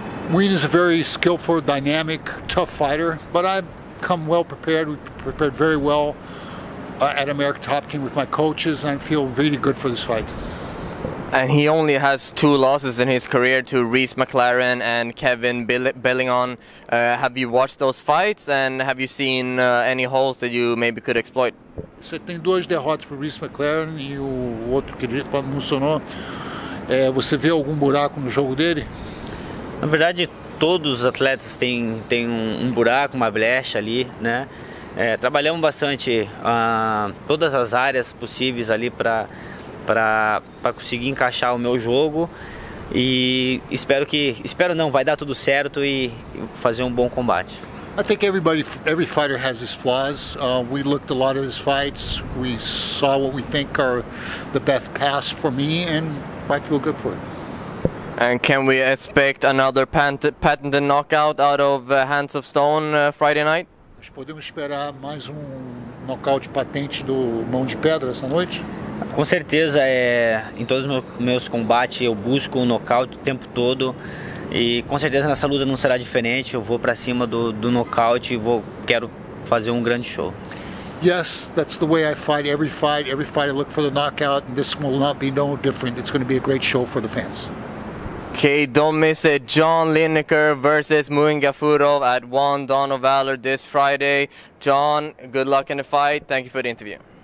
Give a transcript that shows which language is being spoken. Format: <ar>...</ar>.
<en>Muin is a very skillful, dynamic, tough fighter, but I've come well prepared. We prepared very well at America Top Team with my coaches, and I feel really good for this fight. And he only has two losses in his career to Reese McLaren and Kevin Bellingon. Have you watched those fights, and have you seen any holes that you maybe could exploit?</en> <pt>Você tem duas derrotas para Reese McLaren e o outro que não funcionou. Você vê algum buraco no jogo dele? Na verdade, todos os atletas têm um buraco, uma brecha ali, né? Trabalhamos bastante todas as áreas possíveis ali para conseguir encaixar o meu jogo e espero não, vai dar tudo certo e fazer um bom combate.</pt> <en>I think every fighter has his flaws. We looked a lot of his fights. We saw what we think are the best paths for me, and I feel good for it. And can we expect another patented knockout out of Hands of Stone Friday night?</en> <pt>Nós podemos esperar mais nocaute patente do Mão de Pedra essa noite? Com certeza, em todos os meus combates eu busco um nocaute o tempo todo. E com certeza nessa luta não será diferente. Eu vou para cima do nocaute e quero fazer um grande show.</pt> <en>Yes, that's the way I fight. Every fight I look for the knockout, and this will not be no different. It's going to be a great show for the fans. Okay, don't miss it. John Lineker versus Muin Gafurov at One Dawn of Valor this Friday. John, good luck in the fight. Thank you for the interview.</en>